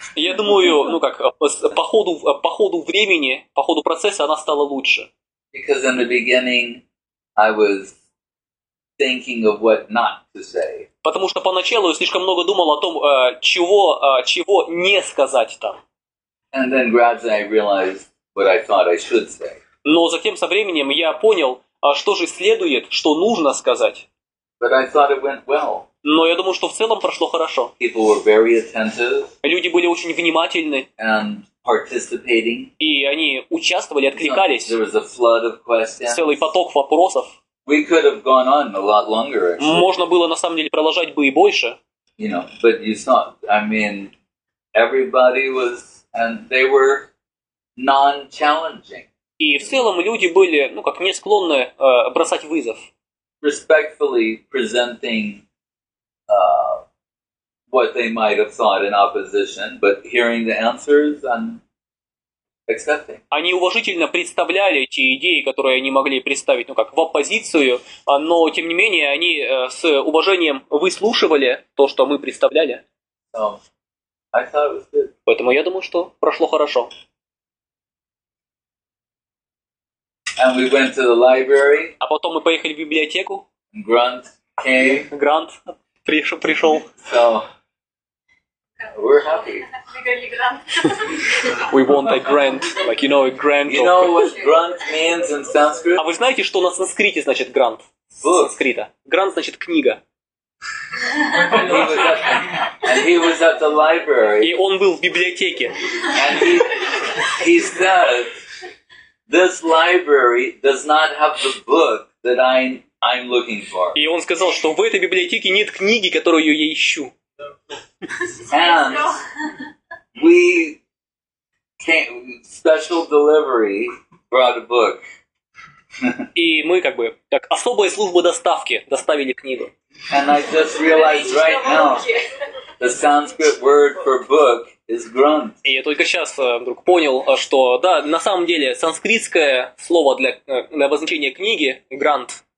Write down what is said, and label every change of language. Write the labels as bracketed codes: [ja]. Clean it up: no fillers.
[ru] Я думаю, ну как по ходу времени, по ходу процесса она стала лучше. [en] Because in the beginning I was thinking of what not to say. [ru] Потому что поначалу я слишком много думал о том, чего не сказать там. [en] And then gradually I realized what I thought I should say. [ru] Но затем со временем я понял, что же следует, что нужно сказать. [en] But I thought it went well. [ru] Но я думаю, что в целом прошло хорошо. [en] People were very attentive. [ru] Люди были очень внимательны. [en] And participating. [ru] И они участвовали, откликались. [en] There was a flood of questions. [ru] Целый поток вопросов. [en] We could have gone on a lot longer, actually. [ru] Можно было на самом деле продолжать бы и больше. [en] You know, but you saw, I mean, everybody was, and they were non-challenging. [ru] И в целом люди были, ну как, не склонны бросать вызов. [en] Respectfully presenting what they might have thought in opposition, but hearing the answers and accepting. [ru] Они уважительно представляли те идеи, которые они могли представить, ну как, в оппозицию, но тем не менее они с уважением выслушивали то, что мы представляли. [en] I thought it was good. [ru] Поэтому я думаю, что прошло хорошо. [en] And we went to the library. [ru] А потом мы поехали в библиотеку. [en] Grant came. [ru] Grant пришел. [en] So we're happy. We want a grant, like you know, a grant. You know what grant means in Sanskrit? [ru] А вы знаете, что на санскрите значит грант? Санскрита. Грант значит книга. [en] And he was at the library. [ru] И он был в библиотеке. [en] And he said, this library does not have the book that I'm looking for. [ru] И он сказал, что в этой библиотеке нет книги, которую я ищу. [en] And we came, special delivery brought a book. [ru] И мы как бы так особая служба доставки доставили книгу. [en] And I just realized right now the Sanskrit word for book. [ru] И я только сейчас вдруг понял, что да, на самом деле санскритское слово для обозначения книги грант.